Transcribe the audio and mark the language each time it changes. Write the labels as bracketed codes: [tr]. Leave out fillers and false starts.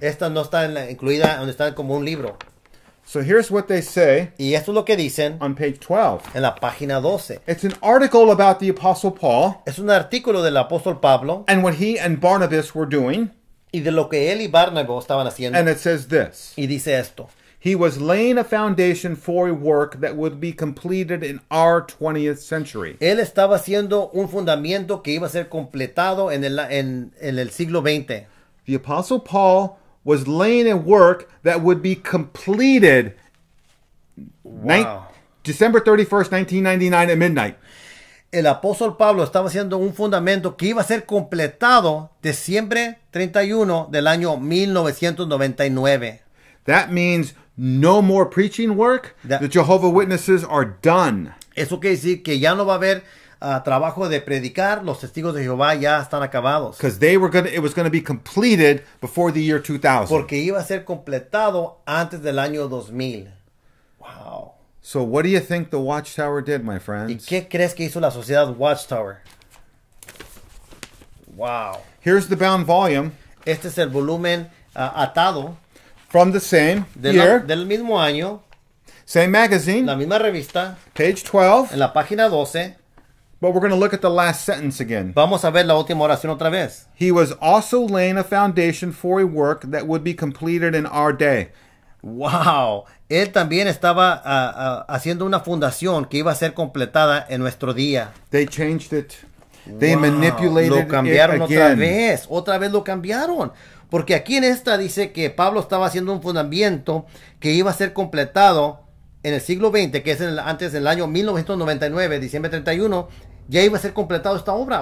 [es] Esta no está incluida, donde está como un libro. [en] So here's what they say. [es] Y esto es lo que dicen. [en] On page 12. [es] En la página 12. [en] It's an article about the Apostle Paul. [es] Es un artículo del apóstol Pablo. [en] And what he and Barnabas were doing. [es] Y de lo que él y Barnabas estaban haciendo. [en] And it says this. [es] Y dice esto. [en] He was laying a foundation for a work that would be completed in our 20th century. [es] Él estaba haciendo un fundamento que iba a ser completado en el siglo 20. [en] The Apostle Paul was laying a work that would be completed December 31st, 1999 at midnight. [es] El apóstol Pablo estaba haciendo un fundamento que iba a ser completado December 31 del año 1999. [en] That means no more preaching work. The Jehovah's Witnesses are done. [es] Eso quiere decir que ya no va a haber trabajo de predicar. Los testigos de Jehová ya están acabados. [en] Because they were going, it was going to be completed before the year 2000. [es] Porque iba a ser completado antes del año 2000. [en] Wow. So what do you think the Watchtower did, my friends? [es] ¿Y qué crees que hizo la sociedad Watchtower? [en] Wow. Here's the bound volume. [es] Este es el volumen atado. [en] From the same year. [es] Del mismo año. [en] Same magazine. [es] La misma revista. [en] Page 12. [es] En la página 12. [en] But we're going to look at the last sentence again. [es] Vamos a ver la última oración otra vez. [en] He was also laying a foundation for a work that would be completed in our day. Wow. [es] Él también estaba haciendo una fundación que iba a ser completada en nuestro día. [en] They changed it. They wow. manipulated [es] lo cambiaron [en] it again. [es] Otra vez. Otra vez lo cambiaron. Porque aquí en esta dice que Pablo estaba haciendo un fundamento que iba a ser completado en el siglo 20, que es antes del año 1999, diciembre 31, ya iba a ser completado esta obra.